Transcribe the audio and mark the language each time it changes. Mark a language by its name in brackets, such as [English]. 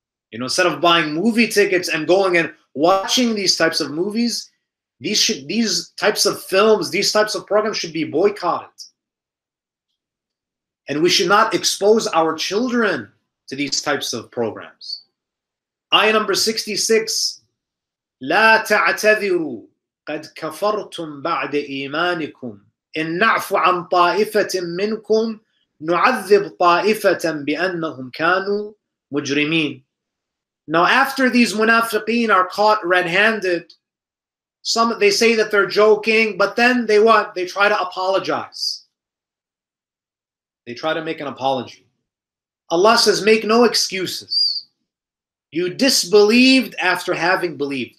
[English] You know, instead of buying movie tickets and going and watching these types of movies, these types of films, these types of programs should be boycotted. And we should not expose our children to these types of programs. Ayah number 66, [Arabic] لا تعتذروا قد كفرتم بعد إيمانكم إن نعفو عن طائفة منكم نعذب طائفة بأنهم كانوا مجرمين. [English] Now after these munafiqeen are caught red-handed, they say that they're joking, but then they what? They try to apologize. They try to make an apology. Allah says, make no excuses. You disbelieved after having believed.